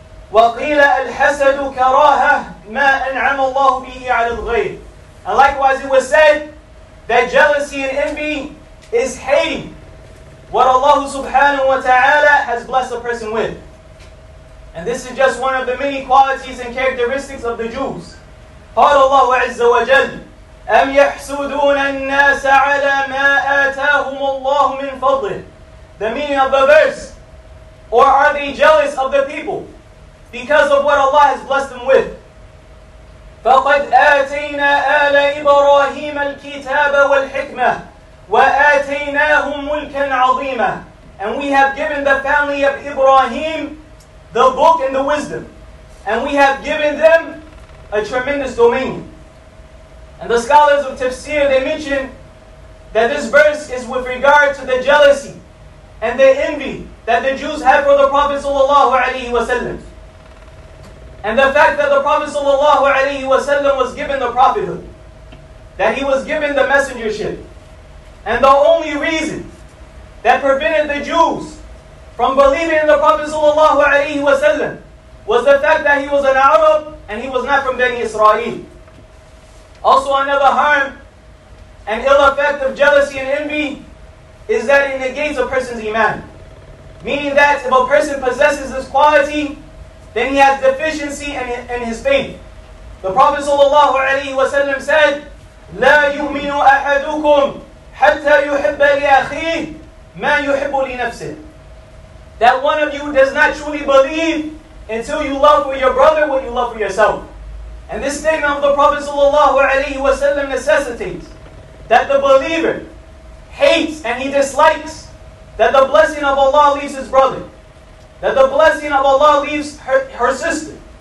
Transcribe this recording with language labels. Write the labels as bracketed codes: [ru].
[ar] Wa qila al-hasad karaha ma an'ama Allah bihi 'ala al-ghayr. [en] And likewise it was said that jealousy and envy is hating what Allah subhanahu wa ta'ala has blessed a person with. And this is just one of the many qualities and characteristics of the Jews. [ar] قال الله عز وجل أم يحسدون الناس على ما آتاهم الله من فضله. [en] The meaning of the verse. Or are they jealous of the people because of what Allah has blessed them with? [ar] فقد آتينا آل إبراهيم الكتاب والحكمة وآتيناهم ملكا عظيما. [en] And we have given the family of Ibrahim the book and the wisdom. And we have given them a tremendous domain. And the scholars of Tafsir, they mention that this verse is with regard to the jealousy and the envy that the Jews had for the Prophet sallallahu alaihi wasallam. And the fact that the Prophet sallallahu alaihi wasallam was given the prophethood, that he was given the messengership. And the only reason that prevented the Jews from believing in the Prophet sallallahu alayhi wa sallam was the fact that he was an Arab and he was not from Bani Israel. Also another harm and ill effect of jealousy and envy is that it negates a person's iman. Meaning that if a person possesses this quality, then he has deficiency in his faith. The Prophet ﷺ said, [ar] لا يؤمن أحدكم حتى يحب لأخيه ما يحب لنفسه. [en] That one of you does not truly believe until you love for your brother what you love for yourself. And this statement of the Prophet ﷺ necessitates that the believer hates and he dislikes that the blessing of Allah leaves his brother, that the blessing of Allah leaves her sister.